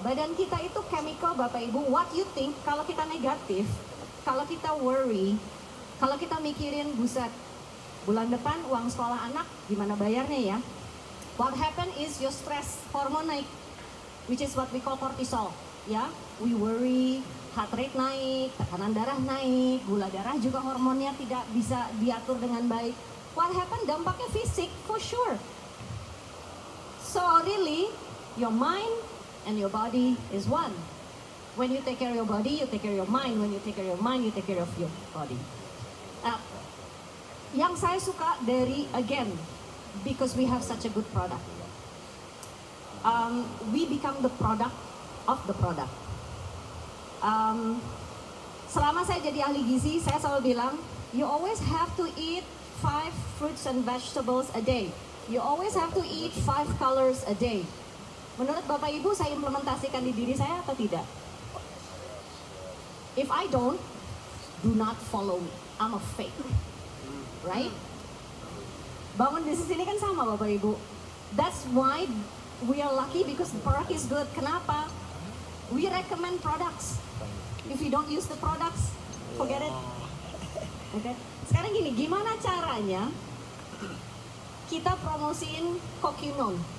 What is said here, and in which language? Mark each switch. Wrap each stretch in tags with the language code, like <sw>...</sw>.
<id>Badan kita itu chemical, Bapak Ibu.</id> <en>What you think,</en> <id>kalau kita negatif, kalau kita worry, kalau kita mikirin, buset, bulan depan uang sekolah anak, gimana bayarnya ya?</id> <en>What happen is your stress hormone naik, which is what we call cortisol.</en> <id>Ya,</id> <en>we worry,</en> <id>heart rate naik, tekanan darah naik, gula darah juga hormonnya tidak bisa diatur dengan baik.</id> <en>What happen,</en> <id>dampaknya fisik,</id> <en>for sure. So really, your mind and your body is one. When you take care of your body, you take care of your mind. When you take care of your mind, you take care of your body.</en> <id>Yang saya suka dari,</id> <en>again, because we have such a good product. We become the product of the product.</en> <id>Selama saya jadi ahli gizi, saya selalu bilang,</id> <en>you always have to eat 5 fruits and vegetables a day. You always have to eat 5 colors a day.</en> <id>Menurut Bapak Ibu, saya implementasikan di diri saya atau tidak?</id> <en>If I don't, do not follow me. I'm a fake. Right?</en> <id>Bangun bisnis ini kan sama, Bapak Ibu.</id> <en>That's why we are lucky because the product is good.</en> <id>Kenapa?</id> <en>We recommend products. If you don't use the products, forget it. Okay.</en> <id>Sekarang gini, gimana caranya kita promosiin Kokinon?</id>